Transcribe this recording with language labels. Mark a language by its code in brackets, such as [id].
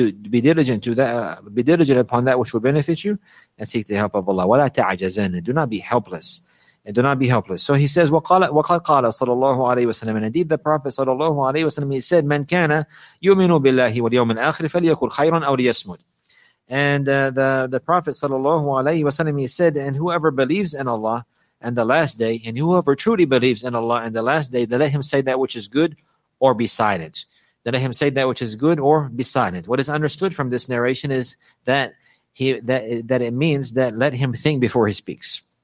[en] Be diligent upon that which will benefit you, and seek the help of Allah. [ar] ولا تعجزن. [en] Do not be helpless. So he says, [ar] وقال صلى الله عليه وسلم. [en] And indeed, the Prophet [ar] صلى الله عليه وسلم, [en] he said, [ar] من كان يؤمن بالله واليوم الآخر فليكن خيرا أو ليصمد. [en] And the Prophet صلى الله عليه وسلم, he said, and whoever believes in Allah and the last day, and whoever truly believes in Allah and the last day, then let him say that which is good or be silent. Then let him say that which is good or be silent. What is understood from this narration is that it means that let him think before he speaks.